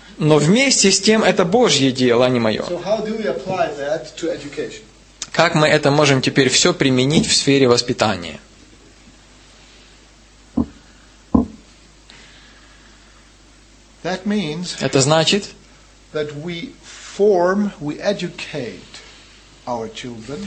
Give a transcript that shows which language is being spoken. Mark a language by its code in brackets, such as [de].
[ru] Но вместе с тем это Божье дело, а не мое. [en] So how do we apply that to education? [ru] Как мы это можем теперь все применить в сфере воспитания? [en] That means, [ru] это значит, [en] that we form, we educate our children,